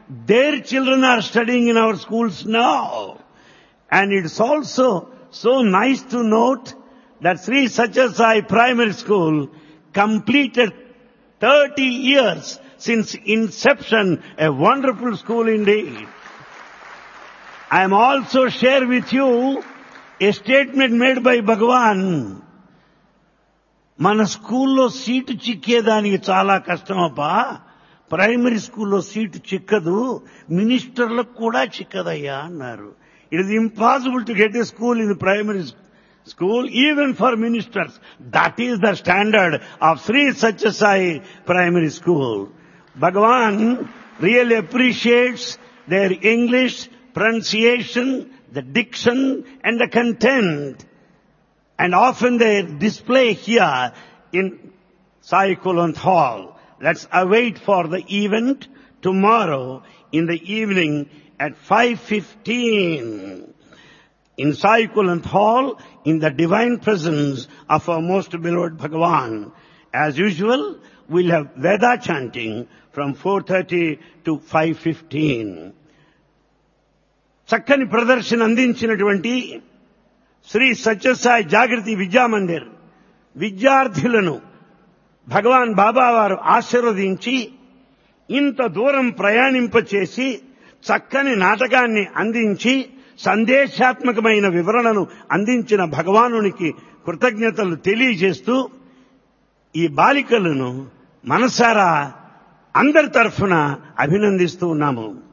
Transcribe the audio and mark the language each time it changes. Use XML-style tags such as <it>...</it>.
<en>Their children are studying in our schools now. And it's also so nice to note that Sri Satya Sai Primary School completed 30 years since inception. A wonderful school indeed. I am also share with you a statement made by Bhagwan</en> <te>మన స్కూల్లో seat చిక్కేదానికి చాలా కష్టం అబ్బా. Primary స్కూల్లో seat చిక్కదు, మినిస్టర్లకు కూడా చిక్కదయ్యా అన్నారు.</te> <en>It is impossible to get a school in primary school even for ministers. That is the standard of Shri Sathya Sai primary school. Bhagavan really appreciates their English ప్రొనన్సియేషన్, the diction and the content and often there display here in Sai కులవంత్ hall. Let's await for the event tomorrow in the evening at 5:15 in Sai Kulanth Hall in the divine presence of our most beloved Bhagavan. As usual, we'll have Veda chanting from 4:30 to 5:15.</en> <te>Chakkani pradarshana andinchinatuvanti Sri Satya Sai Jagriti Vidya Mandir vidyarthulanu భగవాన్ బాబా వారు ఆశీర్వదించి ఇంత దూరం ప్రయాణింపచేసి చక్కని నాటకాన్ని అందించి సందేశాత్మకమైన వివరణను అందించిన భగవానునికి కృతజ్ఞతలు తెలియజేస్తూ ఈ బాలికలను మనసారా అందరి తరఫున అభినందిస్తూ ఉన్నాము.</te>